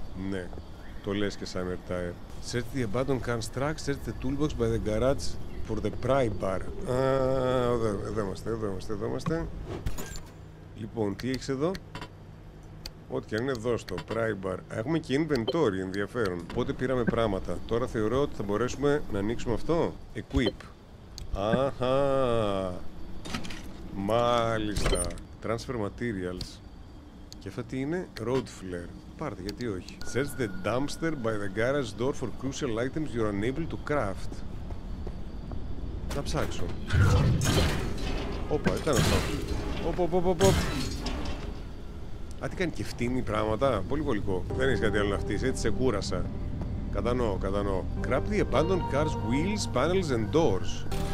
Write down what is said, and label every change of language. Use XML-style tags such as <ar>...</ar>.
<el>Ναι, το λες και summer tire.</el> <en>Search the abandoned car truck, search the toolbox by the garage for the pry bar.</en> <el>Εδώ είμαστε. Λοιπόν, τι έχεις εδώ. Ό,τι και αν είναι εδώ στο pry bar. Έχουμε και inventory, ενδιαφέρον. Οπότε πήραμε πράγματα. Τώρα θεωρώ ότι θα μπορέσουμε να ανοίξουμε αυτό. Equip. Αχα. Μάλιστα.</el> <en>Transfer materials.</en> <el>Και αυτά τι είναι, road flare. Πάρτε, γιατί όχι.</el> <en>Search the dumpster by the garage door for crucial items you're unable to craft.</en> <el>Να ψάξω. Όπα, ήταν αυτό. Οπ. Α, τι κάνει και φτύνει πράγματα. Πολύ βολικό. Δεν έχει κάτι άλλο να φτύσει, έτσι σε κούρασα. Κατανοώ.</el> <en>Grab the abandoned car's wheels, panels and doors.</en>